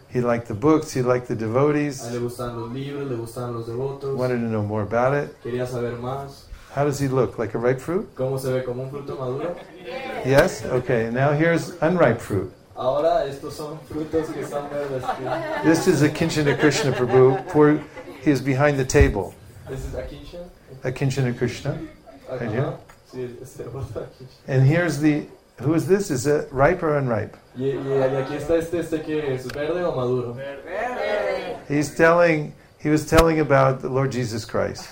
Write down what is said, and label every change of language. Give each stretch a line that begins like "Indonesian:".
English: He liked the books, he liked the devotees.
Spanish: A él le gustaban los libros, le gustaban los devotos.
English: Wanted to know more about it.
Spanish: Quería saber más.
English: How does he look? Like a ripe fruit?
Spanish: ¿Cómo se ve? ¿Como un fruto maduro?
English: Yes? Okay, now here's unripe fruit.
Spanish: Ahora estos son frutos que están verdes.
English: This is a Akinchana Krishna Prabhu. He is behind the table. This is Akinchana? Akinchana Krishna. Right here. And here's the... Who is this? Is it ripe or unripe?
Spanish: Y aquí está este que es verde o maduro. Verde.
English: He's telling... He was telling about the Lord Jesus Christ.